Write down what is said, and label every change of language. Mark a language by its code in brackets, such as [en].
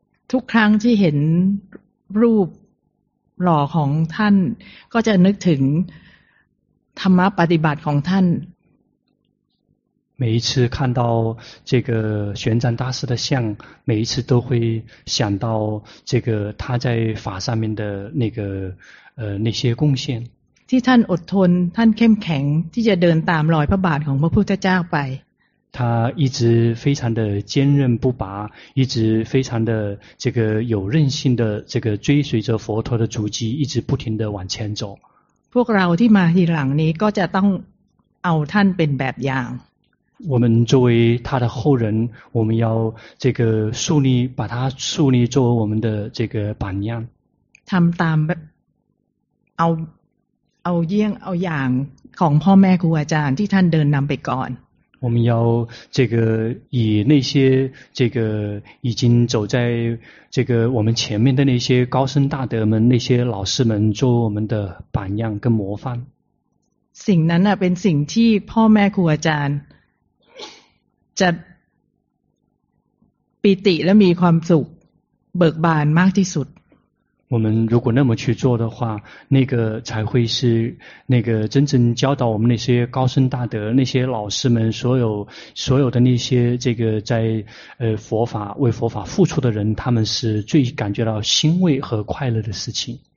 [th] ทุกครั้งที่เห็นรูปหล่อของท่านก็จะนึกถึงธรรมะปฏิบัติของท่าน [zh] 每一次看到这个玄奘大师的像每一次都会想到这个他在法上面的那个那些贡献 [th] ที่ท่านอดทนท่านเข้มแข็งที่จะเดินตามรอยพระบาทของพระพุทธเจ้าไป [zh] 他一直非常的坚韧不拔，一直非常的这个有韧性的这个追随着佛陀的足迹，一直不停的往前走。 [th] พวกเราที่มาทีหลังนี้ก็จะต้องเอาท่านเป็นแบบอย่าง。 [zh] 我们作为他的后人，我们要这个树立，把他树立作为我们的这个榜样。 [th] ทำตามเอาเยี่ยงเอาอย่างของพ่อแม่ครูอาจารย์ที่ท่านเดินนำไปก่อน。 [zh] 我们要这个以那些这个已经走在这个我们前面的那些高僧大德们、那些老师们做我们的榜样跟模范。 [th] สิ่งนั้นเป็นสิ่งที่พ่อแม่ครูอาจารย์จะปิติและมีความสุขเบิกบานมากที่สุด。 [zh] 我们如果那么去做的话，那个才会是那个真正教导我们那些高僧大德、那些老师们所有的那些这个在佛法为佛法付出的人，他们是最感觉到欣慰和快乐的事情。